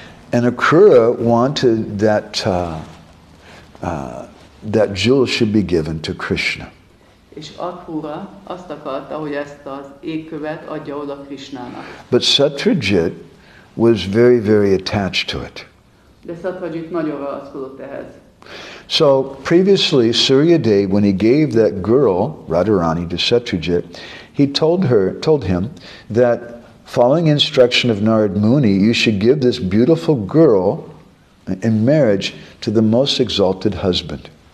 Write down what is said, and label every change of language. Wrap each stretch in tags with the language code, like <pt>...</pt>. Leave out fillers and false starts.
<en>And Akura wanted that jewel should be given to Krishna.</en> <hu>És Akura azt akarta, hogy ezt az ékkövet adja oda Krishnának.</hu> <en>But Satrajit was very, very attached to it.</en> <hu>De Satrajit nagyon ragaszkodott ehhez.</hu> <en>So previously, Suryadev, when he gave that girl, Radharani, to Satrajit, he told him that following instruction of Narad Muni, you should give this beautiful girl in marriage to the most exalted husband.</en>